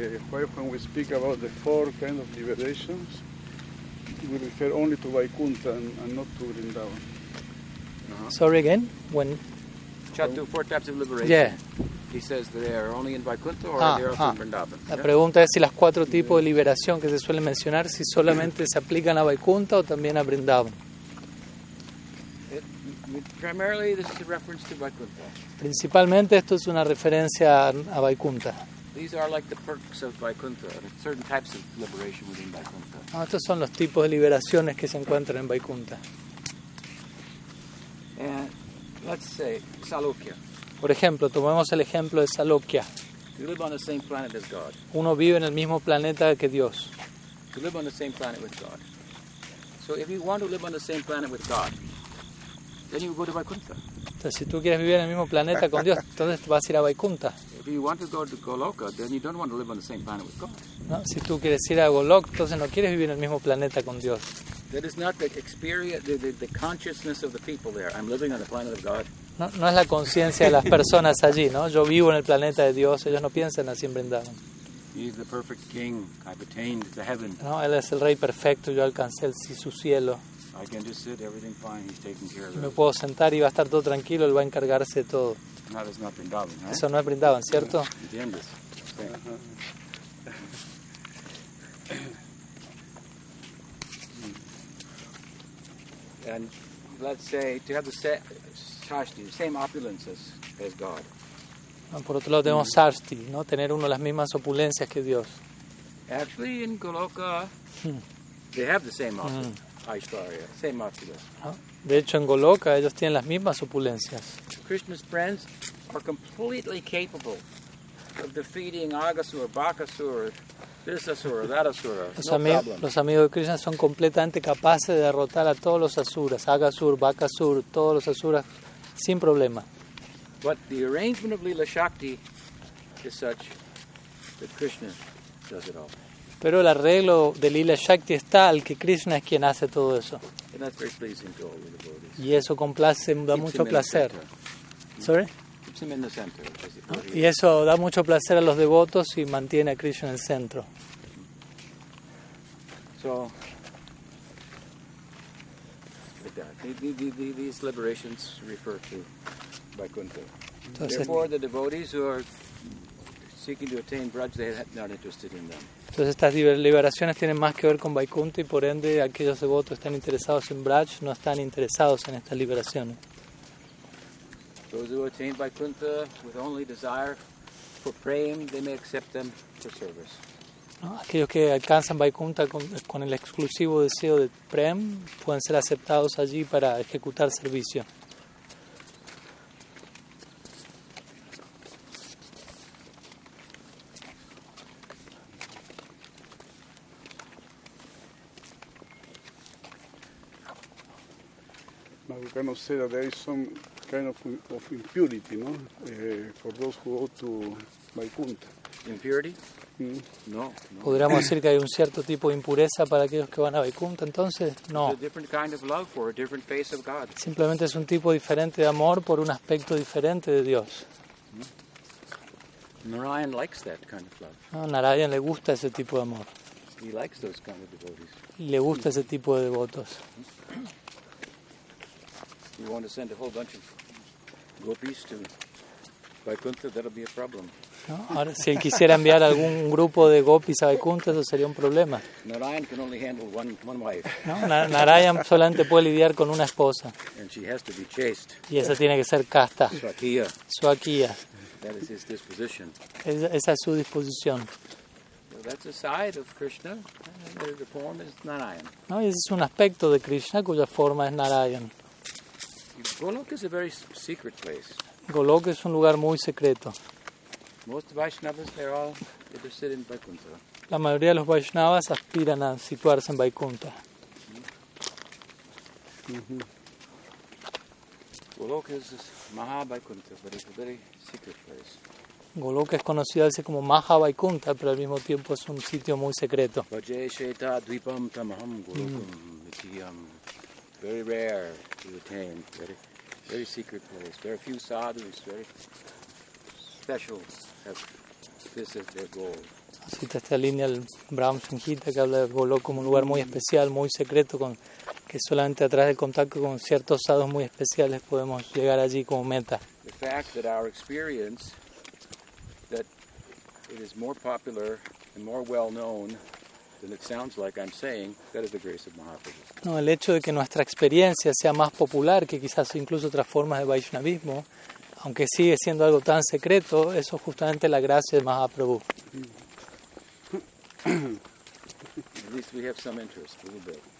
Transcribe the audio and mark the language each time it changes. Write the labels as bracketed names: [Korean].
[English] When we speak about the four kind of liberations, we refer only to Vaikuntha and not to Vrindavan. Sorry again, when Chattu, four types of liberation. Yeah. He says that they are only in Vaikuntha or they are also in Vrindavan. [Spanish] La pregunta es si las cuatro tipos de liberación que se suelen mencionar, si solamente se aplican a Vaikuntha o también a Vrindavan. [English] Primarily, this is a reference to Vaikuntha. [Spanish] Principalmente, esto es una referencia a Vaikuntha. [English] These are like the perks of Vaikuntha, certain types of liberation within Vaikuntha. [Spanish] Estos son los tipos de liberaciones que se encuentran en Vaikuntha. [English] Let's say Salukya. [Spanish] Por ejemplo, tomemos el ejemplo de Salukya. [English] To live on the same planet as God. [Spanish] Uno vive en el mismo planeta que Dios. [English] To live on the same planet with God. So if you want to live on the same planet with God, then you go to Vaikuntha. [Spanish] Entonces, si tú quieres vivir en el mismo planeta con Dios, entonces vas a ir a Vaikuntha. [English] If you want to go to Goloka, then you don't want to live on the same planet with God. [Spanish] No, si tú quieres ir a Goloka, entonces no quieres vivir en el mismo planeta con Dios. [English] That is not the experience, the consciousness of the people there. I'm living on the planet of God. [Spanish] No es la conciencia de las personas allí, ¿no? Yo vivo en el planeta de Dios. Ellos no piensan así en Vrindavan. [English] He is the perfect king. I've attained the heaven. [Spanish] No, él es el rey perfecto. Yo alcancé su cielo. [English] I can just sit, everything fine. He's taking care of it. [Spanish] Me puedo sentar y va a estar todo tranquilo. Él va a encargarse de todo. [English] That is not Vrindavan, right? [Spanish] Eso no es Vrindavan, ¿cierto? ¿Entiendes? [English] And let's say to have the Shasti, the same opulence as God. [Spanish] Por otro lado tenemos Sarsti, ¿no? Tener uno las mismas opulencias que Dios. [English] Actually, in Goloka, they have the same Aishwarya, same opulence. [Spanish] De hecho, en Goloka ellos tienen las mismas opulencias. [English] Krishna's friends are completely capable of defeating Agasura, Bakasura, this Asura, that Asura. [Spanish] Los amigos de Krishna son completamente capaces de derrotar a todos los Asuras, Agasura, Bakasura, todos los Asuras, sin problema. [English] But the arrangement of Lila Shakti is such that Krishna does it all. [Spanish] Pero el arreglo de Lila Shakti es tal que Krishna es quien hace todo eso. [English] And that's very pleasing to all the devotees. [Spanish] Y eso complace, da mucho placer. [English] Sorry? Keeps him in the center. [Spanish] Y eso da mucho placer a los devotos y mantiene a Krishna en el centro. [English] So, like that. These liberations refer to Vaikuntha. Therefore, the devotees who are seeking to attain Braj, they are not interested in them. [Spanish] Entonces estas liberaciones tienen más que ver con Vaikuntha y por ende aquellos devotos que están interesados en Braj no están interesados en estas liberaciones. [English] Those who attain Vaikuntha with only desire for praying, they may accept them for service. [Spanish] ¿No? Aquellos que alcanzan Vaikuntha con el exclusivo deseo de Prem pueden ser aceptados allí para ejecutar servicio. [English] Say that there is some kind of impurity, [Spanish] no? [English] For those who go to Vaikuntha. Impurity? No. [Spanish] Podríamos decir que hay un cierto tipo de impureza para aquellos que van a Vaikuntha, entonces, no. [English] It's a different kind of love for a different face of God. [Spanish] Simplemente es un tipo diferente de amor por un aspecto diferente de Dios. [English] Narayan likes that kind of love. [Spanish] No, Narayan le gusta ese tipo de amor. [English] He likes those kind of devotees. [Spanish] Le gusta ese tipo de devotos. [English] You want to send a whole bunch of gopis to Vaikuntha, that'll be a problem. [Spanish] No, ahora, si él quisiera enviar algún grupo de gopis a Vaikuntha, eso sería un problema. [English] Narayan can only handle one wife. [Spanish] No, Narayan solamente puede lidiar con una esposa. [English] And she has to be chaste. [Spanish] Y esa tiene que ser casta. [English] Swakiya. [Spanish] Swakiya. [English] That is his disposition. [Spanish] Esa es su disposición. [English] That's a side of Krishna, and the form is Narayan. [Spanish] No, ese es un aspecto de Krishna cuya forma es Narayan. [English] Goloka is a very secret place. [Spanish] Goloka es un lugar muy secreto. [English] Most Vaishnavas, they're all interested in Vaikuntha. [Spanish] La mayoría de los Vaishnavas aspiran a situarse en Vaikuntha. [English] Goloka is Maha Vaikuntha, but it's a very secret place. [Spanish] Goloka es conocido así como Maha Vaikuntha, pero al mismo tiempo es un sitio muy secreto. [Sanskrit] Vajesheta dvipam tamaham golokam mitiyam. [English] Very rare to attain, very, very secret place. Very few sadhus, very special, have this as their goal. [Spanish] Cita esta línea el Brahma Sanhita que habla de Goloka como un lugar muy especial, muy secreto, con que solamente a través del contacto con ciertos sadhus muy especiales podemos llegar allí como meta. [English] The fact that our experience that it is more popular and more well known. And it sounds like I'm saying that is the grace of Mahaprabhu. [Spanish] No, el hecho de que nuestra experiencia sea más popular que quizás incluso otras formas de Vaishnavismo, aunque sigue siendo algo tan secreto, eso es justamente la gracia de Mahaprabhu. [English] At least we have some interest, a little bit.